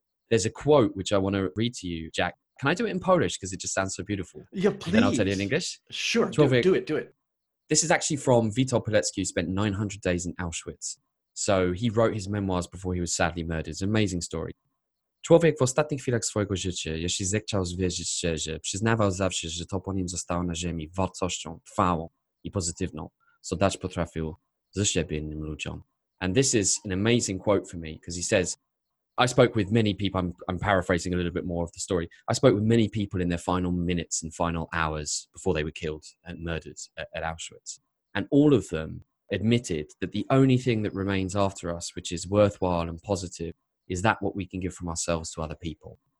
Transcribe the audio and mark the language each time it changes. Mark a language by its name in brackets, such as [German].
[English] There's a quote which I want to read to you, Jack. Can I do it in Polish? Because it just sounds so beautiful. Yeah, please. And then I'll tell you in English. Sure, do it. This is actually from Witold Pilecki, who spent 900 days in Auschwitz. So he wrote his memoirs before he was sadly murdered. It's an amazing story. [Polish] Człowiek w ostatnich chwilach swojego życia, jeśli zechciał zwierzyć szczerze, przyznawał zawsze, że to po nim zostało na ziemi wartością trwałą i pozytywną, co dać potrafił ze siebie innym ludziom. [English] And this is an amazing quote for me, because he says, I spoke with many people, I'm paraphrasing a little bit more of the story. I spoke with many people in their final minutes and final hours before they were killed and murdered at Auschwitz. And all of them admitted that the only thing that remains after us, which is worthwhile and positive, is that what we can give from ourselves to other people.